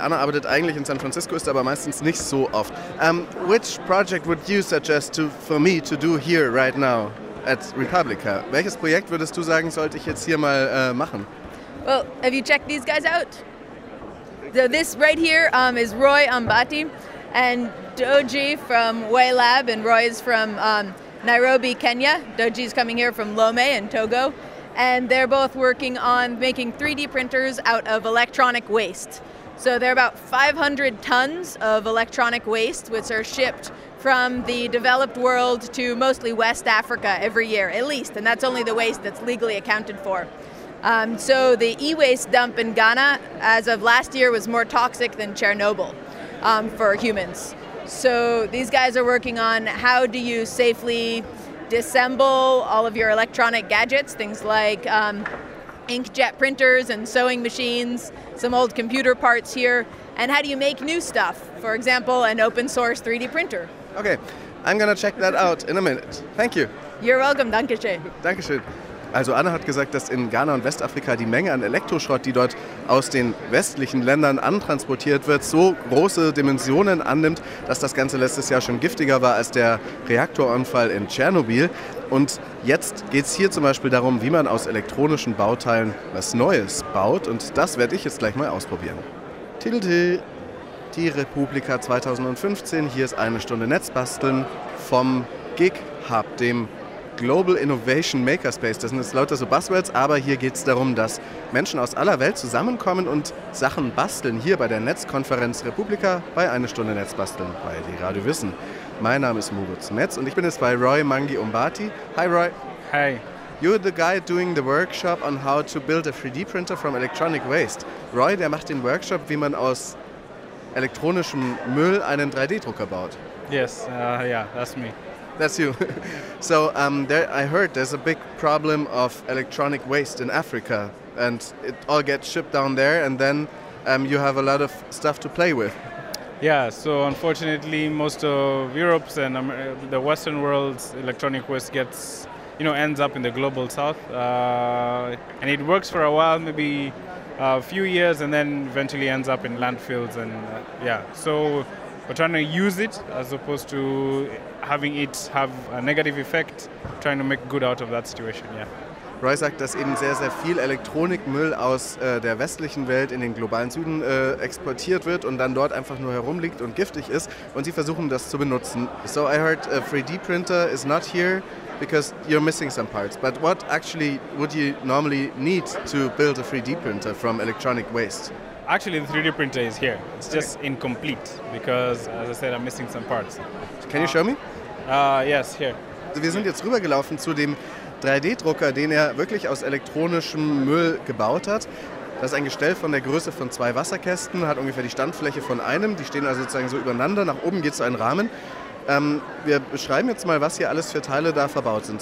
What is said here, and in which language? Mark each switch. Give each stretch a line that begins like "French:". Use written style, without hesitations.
German: Anna arbeitet eigentlich in San Francisco, ist aber meistens nicht so oft.
English: Which project would you suggest for me to do here right now at Republica?
German: Welches Projekt würdest du sagen, sollte ich jetzt hier mal machen?
English: Well, have you checked these guys out? So this right here is Roy Ambati and Doji from Way Lab, and Roy is from Nairobi, Kenya. Doji is coming here from Lome in Togo. And they're both working on making 3D printers out of electronic waste. So there are about 500 tons of electronic waste, which are shipped from the developed world to mostly West Africa every year, at least. And that's only the waste that's legally accounted for. So the e-waste dump in Ghana, as of last year, was more toxic than Chernobyl for humans. So these guys are working on how do you safely disassemble all of your electronic gadgets, things like inkjet printers and sewing machines, some old computer parts here, and how do you make new stuff? For example, an open source 3D printer. Okay, I'm gonna check that out in a minute. Thank you. You're welcome.
German: Dankeschön. Dankeschön. Also Anna hat gesagt, dass in Ghana und Westafrika die Menge an Elektroschrott, die dort aus den westlichen Ländern antransportiert wird, so große Dimensionen annimmt, dass das Ganze letztes Jahr schon giftiger war als der Reaktorunfall in Tschernobyl. Und jetzt geht es hier zum Beispiel darum, wie man aus elektronischen Bauteilen was Neues baut. Und das werde ich jetzt gleich mal ausprobieren. Tilde, die Republika 2015, hier ist eine Stunde Netzbasteln vom GIG Hub, dem Global Innovation Makerspace. Das sind jetzt lauter so Buzzwords, aber hier geht es darum, dass Menschen aus aller Welt zusammenkommen und Sachen basteln, hier bei der Netzkonferenz Republika, bei eine Stunde Netzbasteln bei die Radio Wissen. Mein Name ist Moritz Metz und ich bin jetzt bei Roy Mangi Umbati.
English: Hi Roy. Hi. You're the guy doing the workshop on how to build a 3D printer from electronic waste.
German: Roy, der macht den Workshop, wie man aus elektronischem Müll einen 3D-Drucker baut.
English: Yes, that's me. That's you. So I heard there's a big problem of electronic waste in Africa, and it all gets shipped down there, and then you have a lot of stuff to play with. Yeah, so unfortunately most of Europe's and the Western world's electronic waste ends up in the global south. And it works for a while, maybe a few years, and then eventually ends up in landfills. And so we're trying to use it as opposed to having it have a negative effect, trying to make good out of that situation, yeah.
German: Roy sagt, dass eben sehr, sehr viel Elektronikmüll aus der westlichen Welt in den globalen Süden exportiert wird und dann dort einfach nur herumliegt und giftig ist, und sie versuchen das zu benutzen.
English: So I heard a 3D printer is not here because you're missing some parts, but what actually would you normally need to build a 3D printer from electronic waste? Actually, the 3D printer is here. It's just incomplete because, as I said, I'm missing some parts. Can you show me? Yes, here.
German: Wir sind jetzt rübergelaufen zu dem 3D-Drucker, den er wirklich aus elektronischem Müll gebaut hat. Das ist ein Gestell von der Größe von 2 Wasserkästen, hat ungefähr die Standfläche von einem. Die stehen also sozusagen so übereinander. Nach oben geht so ein Rahmen. Wir beschreiben jetzt mal, was hier alles für Teile da verbaut sind.